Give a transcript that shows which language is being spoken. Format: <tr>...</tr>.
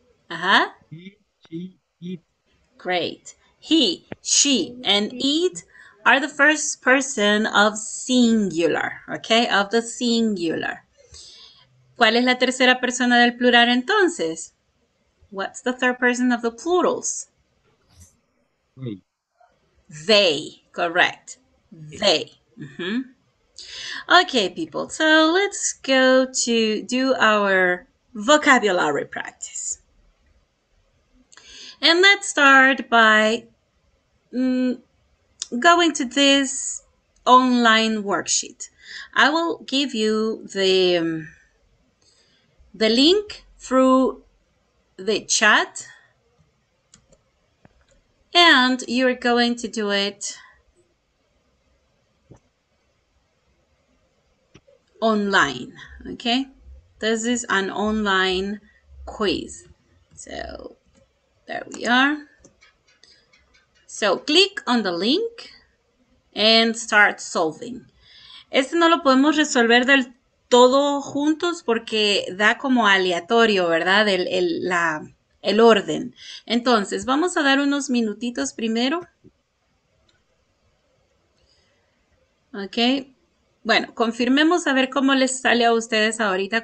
<en>Uh-huh. He, she, eat. Great. He, she, and eat are the first person of singular, okay? Of the singular.</en> <es>¿Cuál es la tercera persona del plural entonces?</es> <en>What's the third person of the plurals? They. Correct. They. Mm-hmm. Okay, people. So let's go to do our vocabulary practice. And let's start by going to this online worksheet. I will give you the link through the chat, and you're going to do it online. Okay, this is an online quiz, so there we are. So click on the link and start solving.</en> <es>Este no lo podemos resolver del todo juntos porque da como aleatorio, ¿verdad? El orden. Entonces, vamos a dar unos minutitos primero. Ok. Bueno, confirmemos a ver cómo les sale a ustedes ahorita.</es>